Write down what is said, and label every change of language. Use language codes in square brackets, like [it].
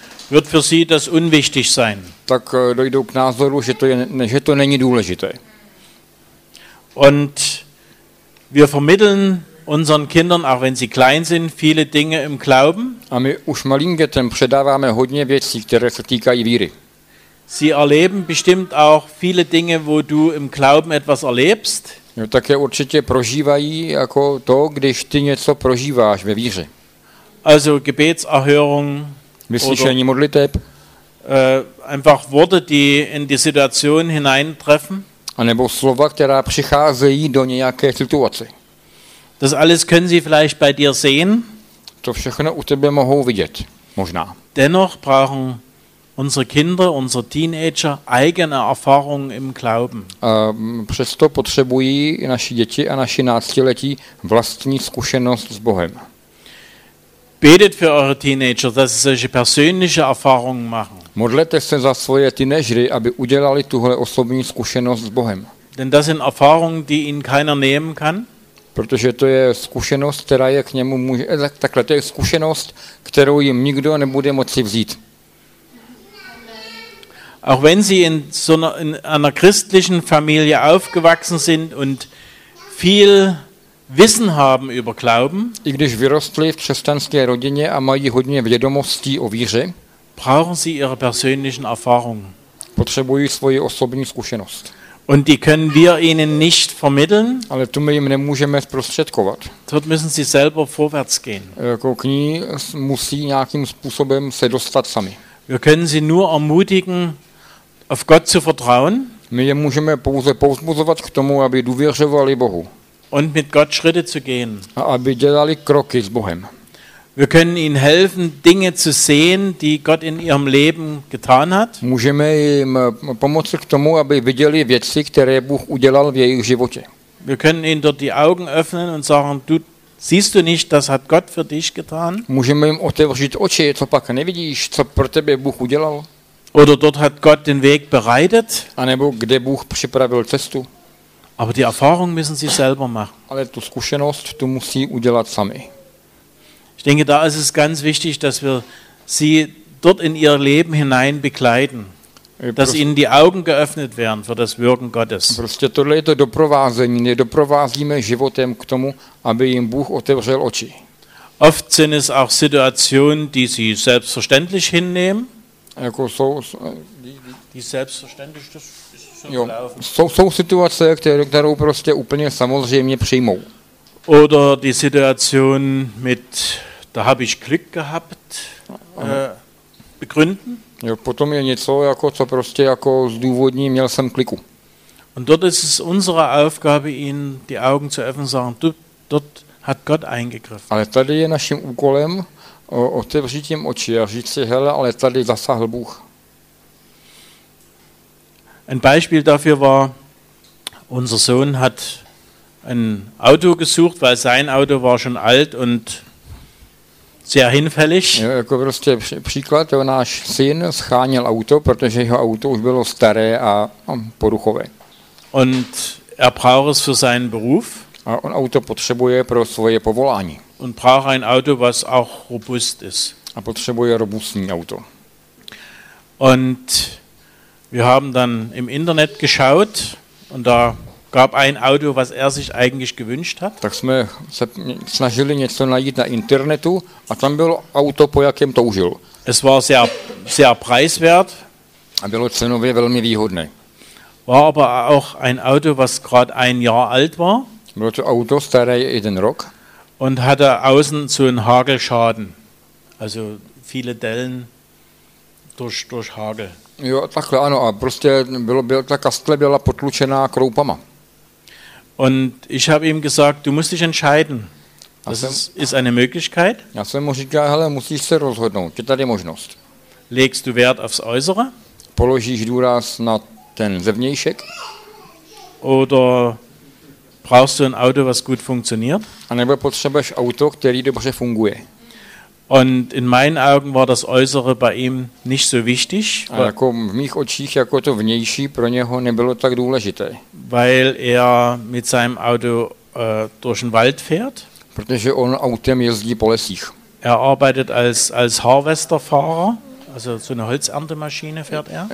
[de] Wird für sie das unwichtig sein. [cs] Tak dojdou k názoru, že to není důležité. [de] Und wir vermitteln unseren Kindern, auch wenn sie klein sind, viele Dinge im Glauben. [cs] A my už malým dětem předáváme hodně věcí, které se týkají víry. [de] Sie erleben bestimmt auch viele Dinge, wo du im Glauben etwas erlebst. [cs] Jo, tak je určitě prožívají jako to, když ty něco prožíváš ve víře. [de] Also Gebetserhörung. [cs] Vyslyšení modliteb. [de] Einfach Worte, die in die Situation hineintreffen. [cs] A nebo slova, která přicházejí do nějaké situace. [de] Das alles können sie vielleicht bei dir sehen. [cs] To všechno u tebe mohou vidět, možná. [de] Dennoch brauchen unsere Kinder, unsere Teenager eigene Erfahrungen im Glauben. [cs] Přesto potřebují i naši děti a naši náctiletí vlastní zkušenost s Bohem. [de] Betet für eure Teenager, dass sie solche persönliche Erfahrungen machen. [cs] Modlete se za svoje teenagery, aby udělali tuhle osobní zkušenost s Bohem. [de] Denn das sind Erfahrungen, die ihnen keiner nehmen kann. [cs] Protože to je zkušenost, která je k němu může, takhle, to je zkušenost, kterou jim nikdo nebude moci vzít. [de] Auch wenn sie in so in einer christlichen Familie aufgewachsen sind und viel Wissen haben über Glauben, [cs] i když vyrostli v křesťanské rodině a mají hodně vědomostí o víře, [de] brauchen sie ihre persönlichen Erfahrungen. [cs] Potřebují svoji osobní zkušenost. [de] Und die können wir ihnen nicht vermitteln. [cs] Ale tu my jim nemůžeme zprostředkovat. [de] Dort müssen sie selber vorwärts gehen. [cs] Jako k ní musí nějakým způsobem se dostat sami. [de] Wir können sie nur ermutigen, auf Gott zu vertrauen. [cs] My je můžeme pouze povzbuzovat k tomu, aby důvěřovali Bohu. [de] Und mit Gott Schritte zu gehen. [cs] A aby dělali kroky s Bohem. [de] Wir können ihnen helfen, Dinge zu sehen, die Gott in ihrem Leben getan hat. [cs] Můžeme jim pomoci k tomu, aby viděli věci, které Bůh udělal v jejich životě. [de] Wir können ihnen dort die Augen öffnen und sagen, du siehst du nicht, das hat Gott für dich getan? [cs] Můžeme jim otevřít oči, co pak nevidíš, co pro tebe Bůh udělal? [de] Oder dort hat Gott den Weg bereitet? [cs] A nebo kde Bůh připravil cestu? [de] Aber die Erfahrung müssen sie selber machen. [cs] Ale tu zkušenost tu musí udělat sami. [de] Ich denke, da ist es ganz wichtig, dass wir sie dort in ihr Leben hinein begleiten, dass ihnen die Augen geöffnet werden für das Wirken Gottes. [cs] Prostě tohle je to doprovázení, ne doprovázíme životem k tomu, aby jim Bůh otevřel oči. [de] Oft sind es auch Situationen, die sie selbstverständlich hinnehmen. [cs] Jako jsou, [de] die selbstverständlich, das ist schon gelaufen. [cs] Jsou situace, kterou prostě úplně samozřejmě přijmou. [de] Oder die Situation mit, da habe ich Glück gehabt, begründen. [cs] Jo, potom je něco, jako, co prostě jako zdůvodní, měl jsem kliku. [de] Und dort ist es unsere Aufgabe, ihnen die Augen zu öffnen, sagen, dort hat Gott eingegriffen. [cs] Ale tady je naším úkolem otevřít jim oči a říct si, hele, ale tady zasahl Bůh. [de] Ein Beispiel dafür war, unser Sohn hat ein Auto gesucht, weil sein Auto war schon alt und sehr hinfällig. [cs] Jo, jako prostě příklad, jo, náš syn scháněl auto, protože jeho auto už bylo staré a poruchové. [de] Und er braucht es für seinen Beruf. [cs] A on auto potřebuje pro svoje povolání. [de] Und braucht ein Auto, was auch robust ist. [cs] A potřebuje robustní auto. [de] Und wir haben dann im Internet geschaut und da gab ein Auto, was sich eigentlich gewünscht hat. [cs] Tak jsme se snažili něco najít na internetu a tam bylo auto, po jakém toužil. [de] Es war sehr, sehr preiswert. [cs] A bylo cenově velmi výhodné. [de] War aber auch ein Auto, was gerade ein Jahr alt war. [cs] Bylo to auto staré jeden rok. [de] Und hatte außen so einen Hagelschaden. Also viele Dellen durch Hagel. [cs] Jo, takhle, ano, a prostě ta kastle byla potlučená kroupama. [de] Und ich habe ihm gesagt, du musst dich entscheiden. Das ist eine Möglichkeit. [cs] Já jsem mu říkal, hele, musíš se rozhodnout, je tady možnost. [de] Legst du Wert aufs Äußere? [cs] Položíš důraz na ten zevnějšek? [de] Oder brauchst du ein Auto, was gut funktioniert? [cs] A nebo potřebuješ auto, který dobře funguje? [de] Und in meinen Augen war das Äußere bei ihm nicht so wichtig. [cs] A jako v mých očích jako to vnější pro něho nebylo tak důležité. [de] Weil er mit seinem Auto durch den Wald fährt. [cs] Protože on autem jezdí po lesích. [de] Er arbeitet als Harvesterfahrer, also so eine Holzerntemaschine fährt er.